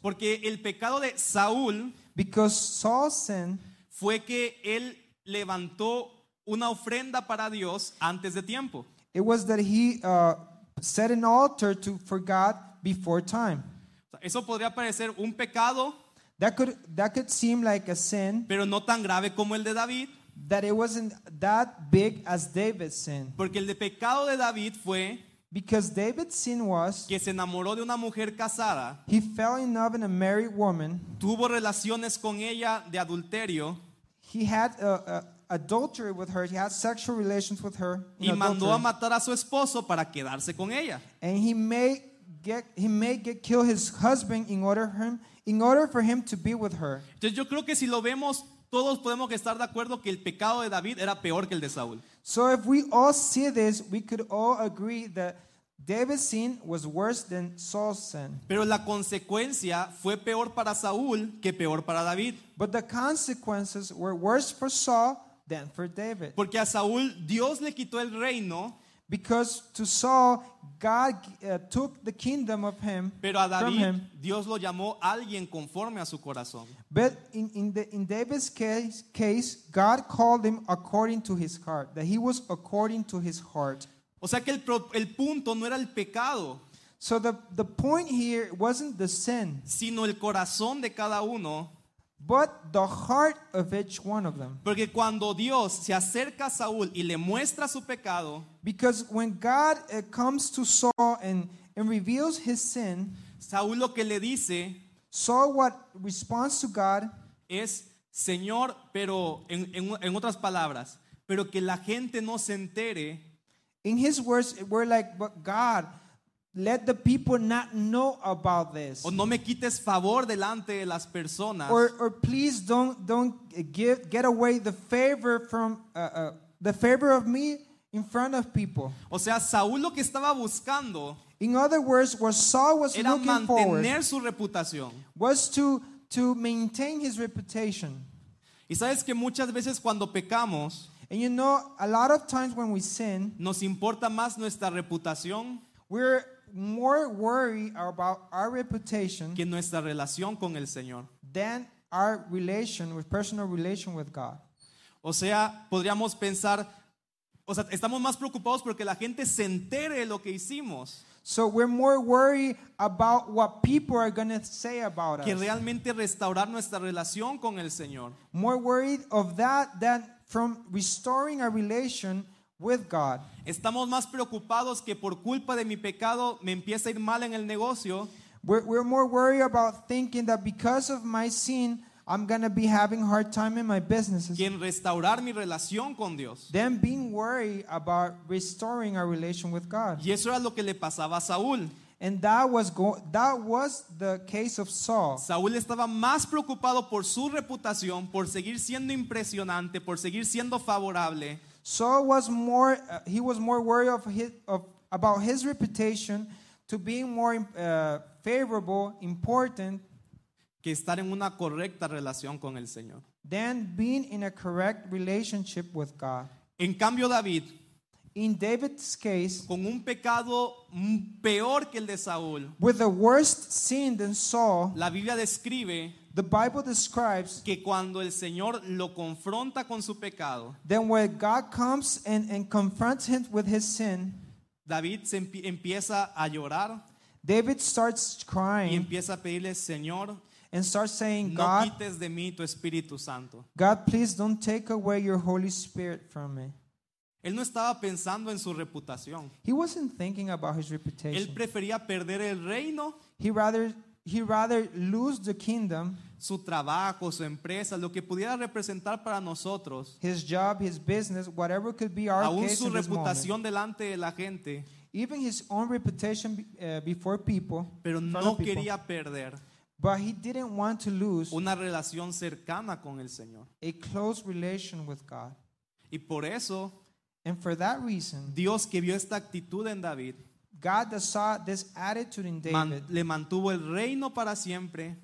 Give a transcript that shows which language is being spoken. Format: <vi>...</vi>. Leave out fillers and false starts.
<es>Porque el pecado de Saúl,</es> <en>because Saul's sin,</en> <es>fue que él levantó una ofrenda para Dios antes de tiempo.</es> <en>It was that he set an altar for God before time.</en> <es>Eso podría parecer un pecado.</es> <en>That could seem like a sin,</en> <es>pero no tan grave como el de David.</es> <en>That it wasn't that big as David's sin.</en> <es>Porque el de pecado de David fue,</es> <en>because David's sin was,</en> <es>que se enamoró de una mujer casada.</es> <en>He fell in love with a married woman.</en> <es>Tuvo relaciones con ella de adulterio.</es> <en>He had adultery with her. He had sexual relations with her.</en> <es>Y mandó a matar a su esposo para quedarse con ella.</es> <en>And he may kill his husband in order for him to be with her.</en> <es>Entonces yo creo que si lo vemos, todos podemos estar de acuerdo que el pecado de David era peor que el de Saúl.</es> <en>So if we all see this, we could all agree that David's sin was worse than Saul's sin.</en> <es>Pero la consecuencia fue peor para Saúl que peor para David.</es> <en>But the consequences were worse for Saul than for David.</en> <es>Porque a Saúl Dios le quitó el reino.</es> <en>Because to Saul, God took the kingdom of him.</en> <es>Pero a David,</es> <en>from him.</en> <es>Dios lo llamó alguien conforme a su corazón.</es> <en>But in David's case, God called him according to his heart. That he was according to his heart.</en> <es>O sea que el punto no era el pecado.</es> <en>So the point here wasn't the sin,</en> <es>sino el corazón de cada uno,</es> <en>but the heart of each one of them.</en> <es>Porque cuando Dios se acerca a Saúl y le muestra su pecado,</es> <en>because when God comes to Saul and reveals his sin,</en> <es>Saúl lo que le dice,</es> <en>Saul what responds to God</en> <es>es, Señor, pero en otras palabras, pero que la gente no se entere.</es> <en>In his words, we're like, but God, let the people not know about this.</en> <es>O no me quites favor delante de las personas.</es> <en>Or please don't get away the favor from the favor of me in front of people.</en> <es>O sea, Saúl lo que estaba buscando.</es> <en>In other words, what Saul was looking for.</en> <es>Era mantener su reputación.</es> <en>Was to maintain his reputation.</en> <es>Y sabes que muchas veces cuando pecamos.</es> <en>And you know, a lot of times when we sin,</en> <es>nos importa más nuestra reputación,</es> <en>we're more worried about our reputation,</en> <es>que nuestra relación con el Señor,</es> <en>than our relation with personal relation with God.</en> <es>O sea, podríamos pensar, o sea, estamos más preocupados porque la gente se entere de lo que hicimos.</es> <en>So we're more worried about what people are going to say about</en> <es>que</es> <en>us.</en> <es>Que realmente restaurar nuestra relación con el Señor.</es> <en>More worried of that than from restoring a relation with God.</en> <es>Estamos más preocupados que por culpa de mi pecado me empieza a ir mal en el negocio.</es> <en>We're more worried about thinking that because of my sin I'm going to be having a hard time in my businesses.</en> <es>Quien restaurar mi relación con Dios.</es> <en>Then being worried about restoring our relation with God.</en> <es>Y eso era lo que le pasaba a Saúl.</es> <en>And that was the case of Saul.</en> <es>Saúl estaba más preocupado por su reputación, por seguir siendo impresionante, por seguir siendo favorable.</es> <en>Saul was more he was more worried about his reputation to being more favorable, important,</en> <es>que estar en una correcta relación con el Señor.</es> <en>Than being in a correct relationship with God.</en> <es>En cambio David,</es> <en>in David's case,</en> <es>con un pecado peor que el de Saúl,</es> <en>with a worse sin than Saul,</en> <es>la Biblia describe,</es> <en>the Bible describes,</en> <es>que cuando el Señor lo confronta con su pecado,</es> <en>then when God comes and confronts him with his sin,</en> <es>David se empieza a llorar,</es> <en>David starts crying,</en> <es>y empieza a pedirle, Señor,</es> <en>and starts saying,</en> <es>no</es> <en>God,</en> <es>quites de mí tu Espíritu Santo.</es> <en>God, please don't take away your Holy Spirit from me.</en> <es>Él no estaba pensando en su reputación.</es> <en>He wasn't thinking about his reputation.</en> <es>Él prefería perder el reino.</es> <en>He rather lose the kingdom.</en> <es>Su trabajo, su empresa, lo que pudiera representar para nosotros.</es> <en>His job, his business, whatever could be our case.</en> <es>Aún su reputación delante de la gente.</es> <en>Even his own reputation before people.</en> <es>Pero no quería perder.</es> <en>But he didn't want to lose.</en> <es>Una relación cercana con el Señor.</es> <en>A close relation with God.</en> <es>Y por eso.</es> <en>And for that reason,</en> <es>Dios que vio esta actitud en David,</es> <en>God that saw this attitude in David,</en> <es>le mantuvo el reino para siempre,</es>